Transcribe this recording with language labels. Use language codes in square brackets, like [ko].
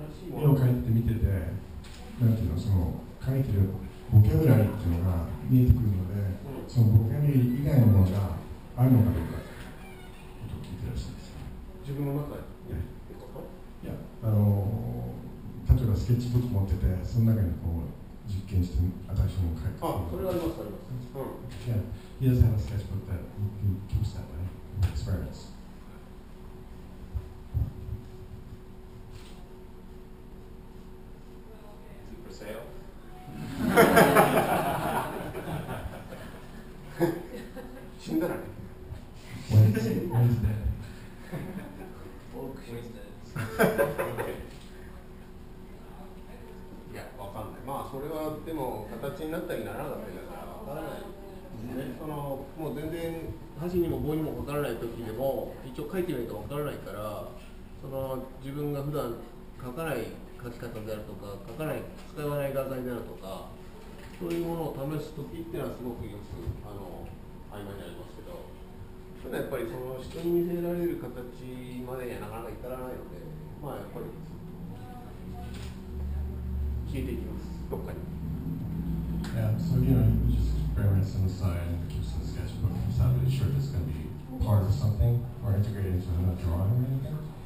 [ja] 絵を描いて見てて、なんていうの、その描いてるボキャブラリーっていうのが見えてくるので、そのボキャブラリー以外のものがあるのかどうかってことを聞いてらっしゃるんですよ。自分の中で、いや、例えばスケッチブック持ってて、その中にこう実験して新しいものを描いて、あ、それはあります、あります。 [en] Yeah, he doesn't have a sketchbook that he keeps that way, experiments. [ja] 死んだらね。 [en] What is it? What is that? [ja] オークション。いや、わかんない。まあ、それはでも形になったりならなかったりだから、わからない。ね、その、もう全然箸にも棒にもわからない時でも、一応書いてみるとわからないから、その、自分が普段書かない書き方であるとか、書かない、使わない画材であるとか、そういうものを試すときっていうのはすごくよく、あの、曖昧になりますけど、ただやっぱりその人に見せられる形までにはなかなか至らないので、まあやっぱり、消えていきます、どっかに。 [en] Yeah, so you know, you just experiment some side and keep some sketchbook and stuff, but it's sure just going to be part of something or integrated into another drawing or anything.